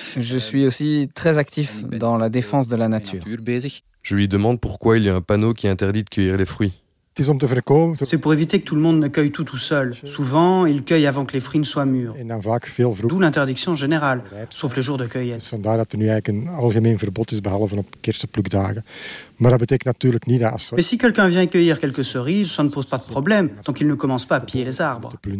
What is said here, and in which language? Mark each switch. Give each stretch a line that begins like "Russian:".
French: Je suis aussi très actif dans la défense de la nature.
Dutch: Bezig.
French: Je lui demande pourquoi il y a un panneau qui interdit de cueillir les fruits. C'est pour éviter que tout le monde ne cueille tout seul. Souvent, ils cueillent avant que les fruits ne soient mûrs. D'où l'interdiction générale, sauf les jours de cueillette.
Dutch: Vandaar dat er nu eigenlijk een algemeen verbod is, behalve op kerstplukdagen. Maar dat betekent natuurlijk niet dat...
French: Mais si quelqu'un vient cueillir quelques cerises, ça ne pose pas de problème, tant qu'il ne commence pas à piller les arbres.